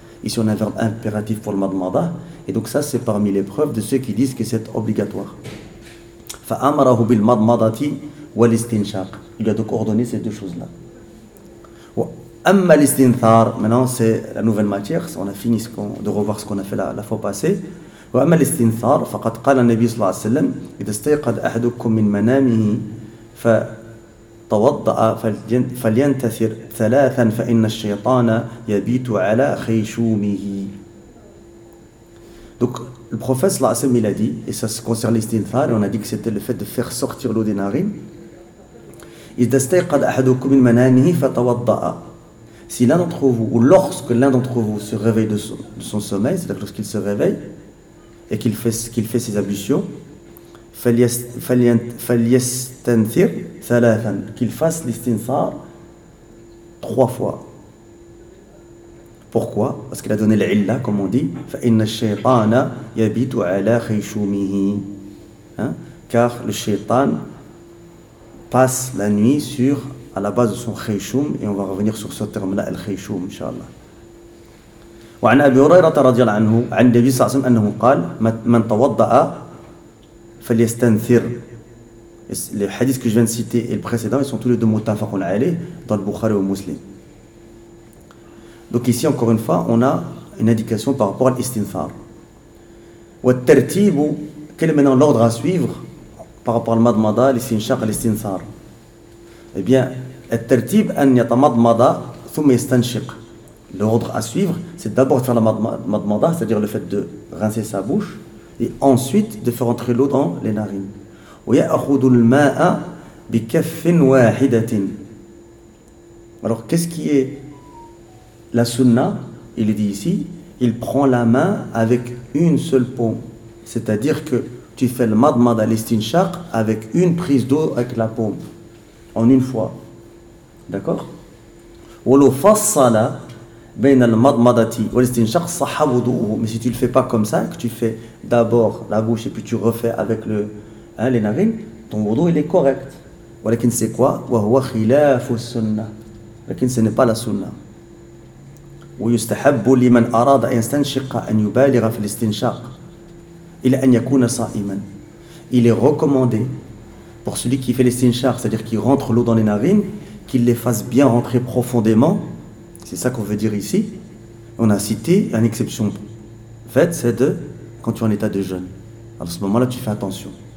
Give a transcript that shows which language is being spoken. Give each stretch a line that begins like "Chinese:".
French: Ici on a un verbe impératif pour le madmada. Et donc ça c'est parmi les preuves de ceux qui disent que c'est obligatoire.
Arabic: Fa amarahu bil madmadati wa l'istinchar.
French: Il a donc ordonné ces deux choses-là. Amma l'istinthar, maintenant c'est la nouvelle matière, on a fini de revoir ce qu'on a fait la fois passée.
Arabic: وأما الاستنثار فقد قال النبي صلى الله عليه وسلم إذا استيقظ أحدكم من منامه فتوضأ فلينتثر ثلاثا فإن الشيطان يبيت على خيشومه.
French: Donc le prophète
Arabic: صلى الله عليه وسلم
French: il a dit, et ça se concerne l'istinthar, on a dit que c'était le fait de faire sortir l'eau des narines.
Arabic: إذا استيقظ أحدكم من منامه فتوضأ.
French: Si l'un d'entre vous, ou lorsque l'un d'entre vous se réveille de son sommeil, c'est-à-dire lorsqu'il se réveille et qu'il fait ses ablutions,
Arabic: فَلْيَسْتَنْثِرْ ثَلَاثًا,
French: qu'il fasse l'istinsar trois fois. Pourquoi ? Parce qu'il a donné l'illa, comme on dit,
Arabic: فَإِنَّ الشَّيْطَانَ يَبِيتُ عَلَى خَيْشُومِهِ,
French: car le shaytan passe la nuit sur, à la base de son khayshoum, et on va revenir sur ce terme-là, al-khayshoum, inshallah.
Arabic: وعن أبي هريرة رضي الله عنه عن النبي صلى الله عليه وسلم أنه قال من توضأ فليستنثر.
French: Les hadiths que je viens de citer et le précédent, ils sont tous les deux
Arabic: mutafaqun alayh
French: dans le Bukhari ou Muslim. Donc ici encore une fois on a une indication par rapport à l'istinthar. والترتيب, quel est maintenant l'ordre à suivre par rapport à l'madmada, l'istinshaq, l'istinthar? Eh bien
Arabic: الترتيب أن يتمضمض ثم يستنشق.
French: L'ordre à suivre, c'est d'abord de faire la madmada, c'est-à-dire le fait de rincer sa bouche, et ensuite de faire entrer l'eau dans les narines.
Arabic: وَيَأْخُدُ الْمَاءَ بِكَفٍ وَاحِدَةٍ.
French: Alors, qu'est-ce qui est la sunna? Il est dit ici, il prend la main avec une seule paume. C'est-à-dire que tu fais le madmada l'istinshaq avec une prise d'eau avec la paume, en une fois. D'accord?
Arabic: وَلُوْ فَصَّلَ بين المضمضة والاستنشاق صح وضوءه.
French: Mais si tu le fais pas comme ça, que tu fais d'abord la bouche et puis tu refais avec les narines, ton wudu il est correct.
Arabic: ولكن
French: c'est quoi?
Arabic: وهو خلاف السنة. لكن
French: ce n'est pas la sunna.
Arabic: ويستحب لمن أراد أن يستنشق أن يبالغ في الاستنشاق إلى أن يكون صائما.
French: Il est recommandé pour celui qui fait l'istinshaq, c'est-à-dire qui rentre l'eau dans les narines, qu'il les fasse bien rentrer profondément. C'est ça qu'on veut dire ici. On a cité une exception faite, c'est de quand tu es en état de jeûne. Alors à ce moment-là, tu fais attention.